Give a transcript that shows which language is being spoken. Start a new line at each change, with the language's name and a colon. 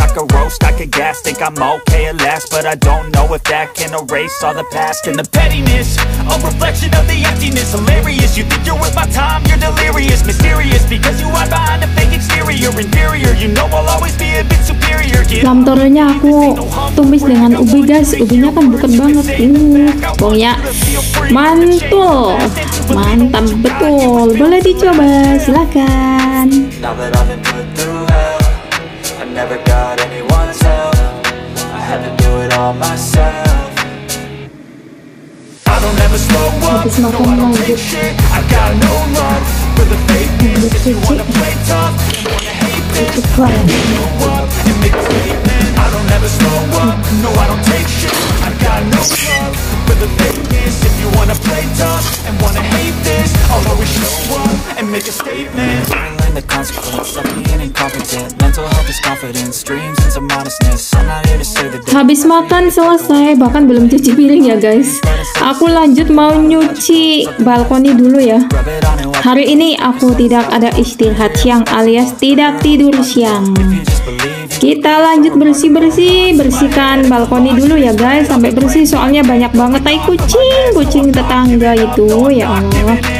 English: I could roast, I could gas, think I'm okay at last. But I don't know if that can erase all the past. And the pettiness, a reflection of the emptiness. Hilarious, you think you're worth my time, you're delirious. Mysterious, because you hide behind a fake exterior. Inferior, you know I'll always be a bit superior.
Indonesian: Lam toronya aku tumis dengan ubi guys. Ubinya kan bukan banget. Pokoknya mantul, mantap betul. Boleh dicoba, silakan.
English: Now that I've been put through hell, I never got anyone's help. I had to do it all myself. I don't ever slow up, no I don't take shit. I got no love for the fake news. If you wanna play tough, if you wanna hate this, I'll show you up and make a statement. I don't ever slow up, no I don't take shit. I got no love for the fake news. the thing is, if you wanna play tough and wanna hate this, I'll always show up and make a statement. The consequence of being incompetent. Mental health is confidence. Dreams into modestness. I'm not here to say the day.
Indonesian: Habis makan selesai, bahkan belum cuci piring ya guys. Aku lanjut mau nyuci balkoni dulu ya. Hari ini aku tidak ada istirahat siang, alias tidak tidur siang. Kita lanjut bersih-bersih, bersihkan balkoni dulu ya guys, sampai bersih, soalnya banyak banget tai kucing, kucing tetangga itu, ya Allah.